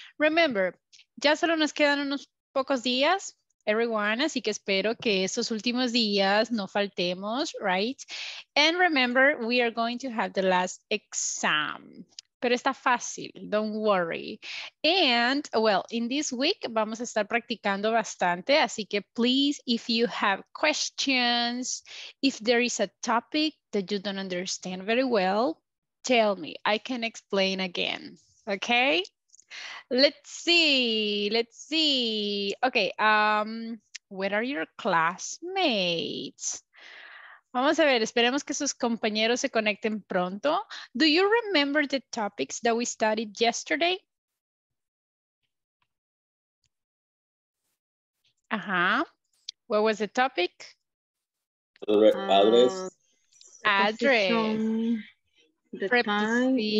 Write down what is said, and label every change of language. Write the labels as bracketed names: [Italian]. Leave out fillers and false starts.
[Spanish] Remember, ya solo nos quedan unos pocos días, everyone, así que espero que estos últimos días no faltemos, right? [English] And remember, we are going to have the last exam. Pero está fácil, don't worry. And, well, in this week vamos a estar practicando bastante, así que please, if you have questions, if there is a topic that you don't understand very well, tell me, I can explain again. Okay? Let's see. Let's see. Okay, where are your classmates? [Spanish] Vamos a ver, esperemos que sus compañeros se conecten pronto. [English] Do you remember the topics that we studied yesterday? What was the topic? Address, Preposition. Address. The time in